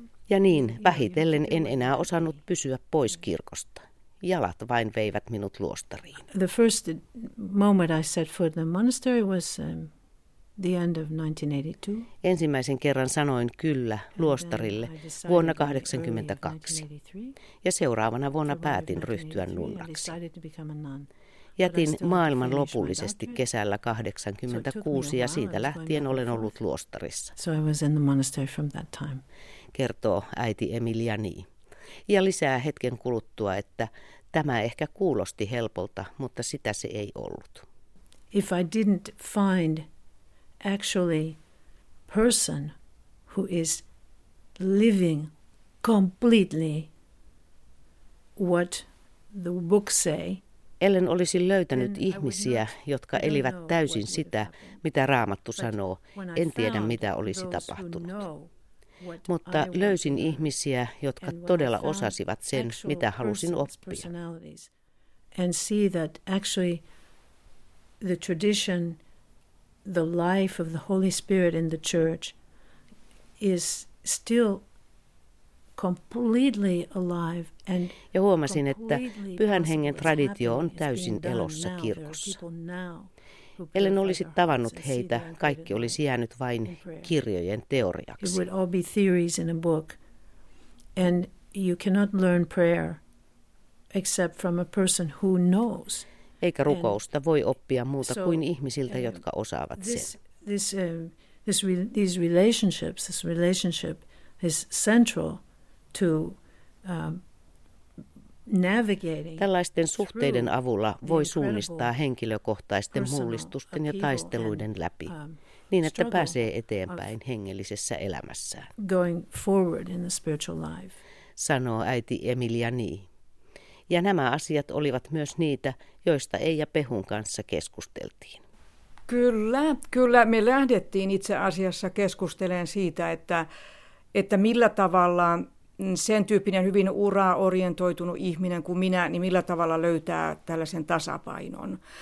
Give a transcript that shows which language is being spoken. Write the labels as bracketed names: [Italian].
[Finnish] Ja niin, vähitellen en enää osannut pysyä pois kirkosta. Jalat vain veivät minut luostariin. [English] The first moment I set foot in the monastery was the end of 1982. [Finnish] Ensimmäisen kerran sanoin kyllä luostarille vuonna 1982. Ja seuraavana vuonna päätin ryhtyä nunnaksi. Jätin maailman lopullisesti kesällä 1986 ja siitä lähtien olen ollut luostarissa. [English] So I was in the monastery from that time. [Finnish] Kertoo äiti Emilia niin. Ja lisää hetken kuluttua, että tämä ehkä kuulosti helpolta, mutta sitä se ei ollut. [English] If I didn't find actually person who is living completely what the book say. [Finnish] Ellen olisi löytänyt ihmisiä, jotka elivät täysin sitä, mitä Raamattu sanoo. En tiedä, mitä olisi tapahtunut. Mutta löysin ihmisiä, jotka todella osasivat sen, mitä halusin oppia. [English] And see that actually the tradition, the life of the Holy Spirit in the church is still completely alive and [Finnish] ja huomasin, että Pyhän Hengen traditio on täysin elossa kirkossa. Ellen olisi tavannut heitä, kaikki olisi jäänyt vain kirjojen teoriaksi. [English] It would all be theories in a book, and you cannot learn prayer except from a person who knows. [Finnish] Eikä rukousta voi oppia muuta kuin ihmisiltä, jotka osaavat sen. [English] These relationships, this relationship is central to navigating. [Finnish] Tällaisten suhteiden avulla voi suunnistaa henkilökohtaisten mullistusten ja taisteluiden läpi, niin että pääsee eteenpäin hengellisessä elämässään. [English] Going forward in the spiritual life. [Finnish] Sanoo äiti Emilia niin. Ja nämä asiat olivat myös niitä, joista Eija Pehun kanssa keskusteltiin. Kyllä, kyllä. Me lähdettiin itse asiassa keskustelemaan siitä, että millä tavalla sen tyyppinen hyvin uraorientoitunut ihminen kuin minä, niin millä tavalla löytää tällaisen tasapainon.